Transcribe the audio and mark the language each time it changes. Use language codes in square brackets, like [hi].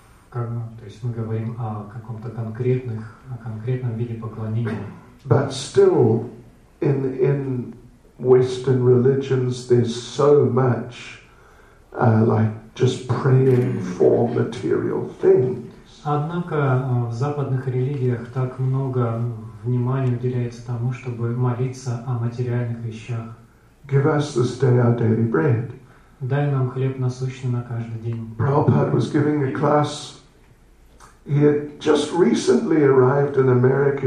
[ru] То есть мы говорим о каком-то конкретном виде поклонения. [en] But still, in Western religions, there's so much like just praying for material things. [ru] Однако в западных религиях так много внимания уделяется тому, чтобы молиться о материальных вещах. [en] Give us this day our daily bread. [ru] Дай нам хлеб насущный на каждый день. [en] Prabhupada was giving a class. He had just recently arrived in America.